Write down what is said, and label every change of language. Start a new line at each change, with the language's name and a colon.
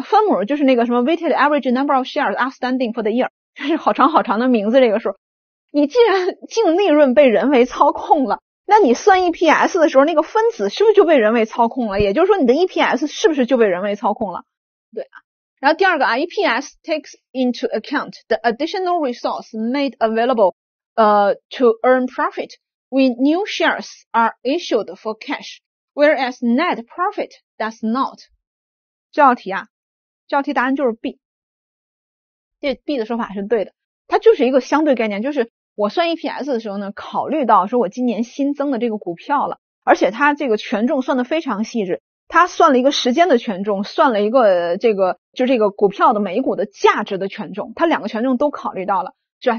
Chinese: 分母就是那个什么
English: weighted average number of shares outstanding for the year，
Chinese: 就是好长好长的名字这个数。你既然净利润被人为操控了，那你算 EPS 的时候那个分子是不是就被人为操控了，也就是说你的 EPS 是不是就被人为操控了，对啊。然后第二个
English: ,EPS takes into account the additional resource made available, to earn profit when new shares are issued for cash, whereas net profit does not.
Chinese: 这道题啊，这道题答案就是 B。这 B 的说法是对的。它就是一个相对概念，就是我算 EPS 的时候呢，考虑到说我今年新增的这个股票了，而且它这个权重算得非常细致。他算了一个时间的权重，算了一个这个股票的每一股的价值的权重，他两个权重都考虑到了，是吧？